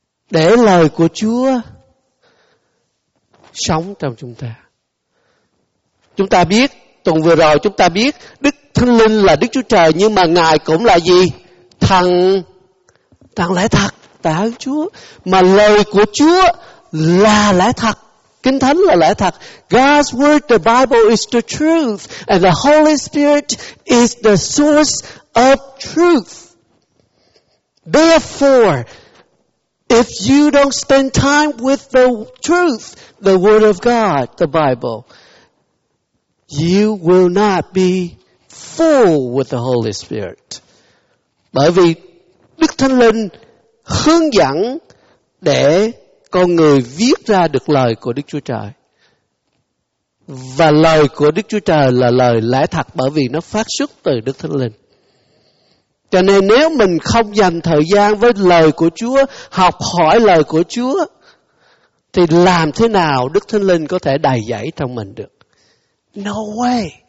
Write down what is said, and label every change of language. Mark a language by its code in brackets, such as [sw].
[vi] Để lời của Chúa sống trong chúng ta. Chúng ta biết, tuần vừa rồi chúng ta biết Đức Thánh Linh là Đức Chúa Trời, nhưng mà Ngài cũng là gì? Thằng lẽ thật, tạ ơn Chúa. Mà lời của Chúa là lẽ thật, Kinh Thánh là lẽ thật. [en] God's word, the Bible is the truth, and the Holy Spirit is the source of truth. Therefore, if you don't spend time with the truth, the word of God, the Bible, you will not be full with the Holy Spirit. [vi] Bởi vì Đức Thánh Linh hướng dẫn để con người viết ra được lời của Đức Chúa Trời. Và lời của Đức Chúa Trời là lời lẽ thật, bởi vì nó phát xuất từ Đức Thánh Linh. Cho nên nếu mình không dành thời gian với lời của Chúa, học hỏi lời của Chúa, thì làm thế nào Đức Thánh Linh có thể đầy dẫy trong mình được? [en] No way.